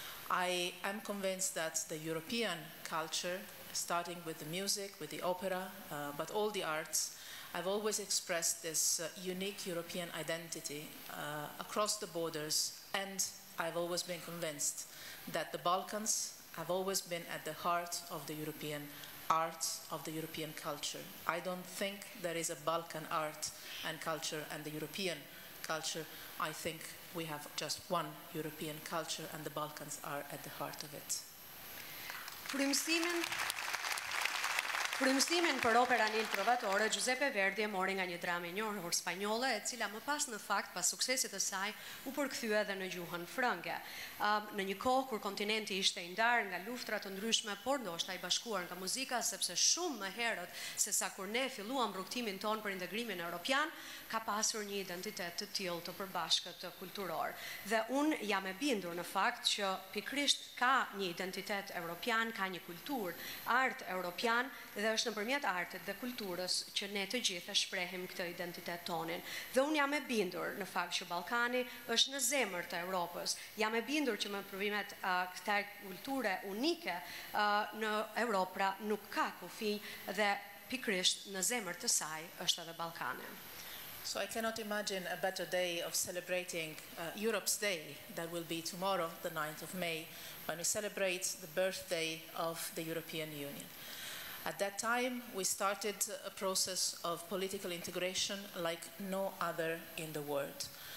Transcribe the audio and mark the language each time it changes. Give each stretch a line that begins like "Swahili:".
English: I am convinced that the European culture, starting with the music, with the opera, but all the arts, have always expressed this unique European identity across the borders, and I've always been convinced that the Balkans have always been at the heart of the European art, of the European culture. I don't think there is a Balkan art and culture and the European culture. I think we have just one European culture and the Balkans are at the heart of it.
Albanian: Frymësimin për operën Il Trovatore, Giuseppe Verdi e mori nga një dramë e njohur spanjolle, e cila më pas në fakt, pas suksesit të saj, u përkthye edhe në gjuhën frënge. Në një kohë kur kontinenti ishte i ndarë nga luftra të ndryshme, por ndoshta i bashkuar nga muzika, sepse shumë më herët se sa kur ne filluam rrugtimin ton për integrimin evropian, ka pasur një identitet të tillë të përbashkët kulturor. Dhe unë jam e bindur në fakt që pikrisht ka një identitet evropian, ka një kulturë, art evropian, dhe është nëpërmjet artit dhe kulturës që ne të gjithë e shprehim këtë identitet tonin. Dhe unë jam e bindur në fakt që Ballkani është në zemër të Evropës. Jam e bindur që me provimet këta kulture unike në Evropë pra nuk ka kufi dhe pikrisht në zemër të saj është edhe Ballkani.
English: So I cannot imagine a better day of celebrating Europe's Day that will be tomorrow, the 9th of May, when we celebrate the birthday of the European Union. At that time, we started a process of political integration like no other in the world.